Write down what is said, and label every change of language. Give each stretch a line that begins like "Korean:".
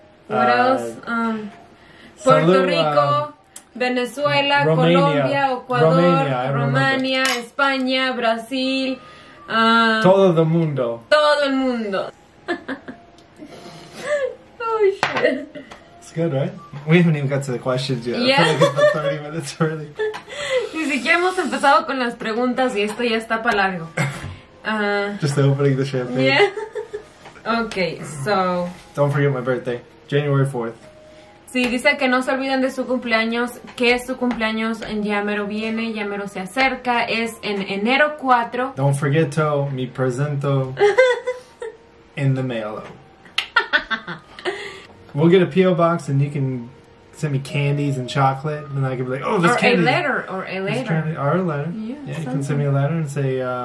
English: What else? Puerto Rico, Venezuela, Romania, Colombia, Ecuador, Romania, España, Brasil.
Spanish: Todo el mundo. Todo el mundo.
English: Oh, shit. It's good, right? We haven't even got to the questions yet. Yeah. I feel like it's 30 minutes early.
Spanish: Ni siquiera hemos empezado con las preguntas y esto ya está para largo.
English: Just opening the champagne. Yeah. Okay, so... Don't forget my birthday. January 4th.
Spanish: Sí, dice que no se olviden de su cumpleaños, que su cumpleaños ya mero viene, ya mero se acerca. Es en enero 4.
English: Don't forget to
Spanish: me presento
English: in the mail. We'll get a P.O. box and you can send me candies and chocolate. And I can be like, oh, this or candy. Or a letter. Or a letter. Candy, or a letter. Yeah, yeah, you can send me a letter and say,